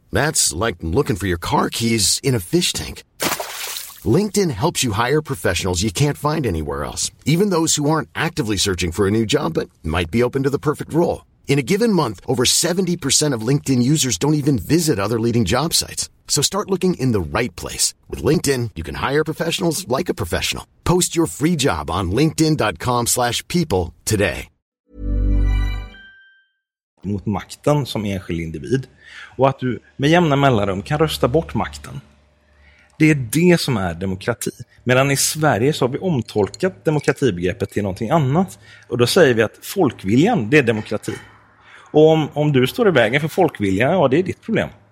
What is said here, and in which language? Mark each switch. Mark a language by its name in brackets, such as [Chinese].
[English] That's like looking for your car keys in a fish tank. LinkedIn helps you hire professionals you can't find anywhere else, even those who aren't actively searching for a new job but might be open to the perfect role. In a given month, over 70% of LinkedIn users don't even visit other leading job sites. So start looking in the right place. With LinkedIn, you can hire professionals like a professional. Post your free job on linkedin.com/people today. [Swedish] Mot makten som enskild individ. Och att du med jämna mellanrum kan rösta bort makten. Det är det som är demokrati. Medan i Sverige så har vi omtolkat demokratibegreppet till någonting annat. Och då säger vi att folkviljan, det är demokrati. Och om du står i vägen för folkviljan, ja, det är ditt problem.